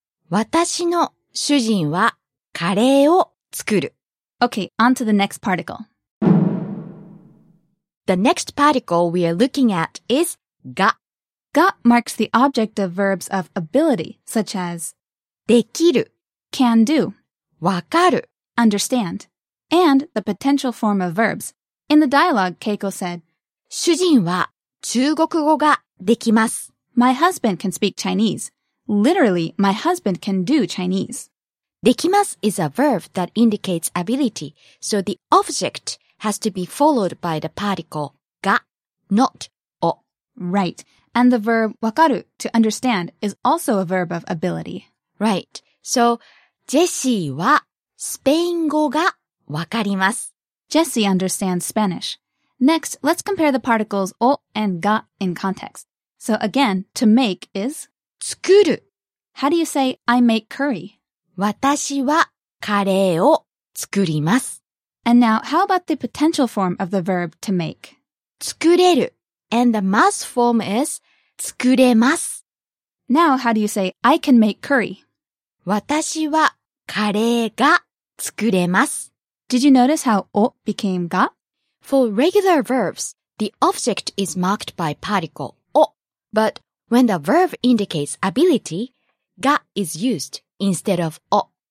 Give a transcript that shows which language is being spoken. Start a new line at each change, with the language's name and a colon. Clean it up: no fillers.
Japanese: 私の主人はカレーを作る。
English: Okay, on to the next particle. The next particle we are looking at is が。が marks the object of verbs of ability, such as
Japanese: できる
English: can do
Japanese: わかる
English: understand, and the potential form of verbs. In the dialogue, Keiko said,
Japanese: 主人は中国語ができます。
English: My husband can speak Chinese. Literally, my husband can do Chinese. できます is a verb that indicates ability, so the object has to be followed by the particle が, not を. Right. And the verb わかる, to understand, is also a verb of ability.
Japanese: Right. So, Jesse はスペイン語がわかります.
English: Jesse understands Spanish. Next, let's compare the particles を and が in context. So again, to make is
Japanese: 作る。
English: How do you say I make curry?
Japanese: 私はカレーを作ります。
English: And now, how about the potential form of the verb to make?
Japanese: 作れる。
English: And the mass form is
Japanese: 作れます。
English: Now, how do you say I can make curry?
Japanese: 私はカレーが作れます。
English: Did you notice how お became が? For regular verbs, the object is marked by particle. But when the verb indicates ability, が is used instead of お.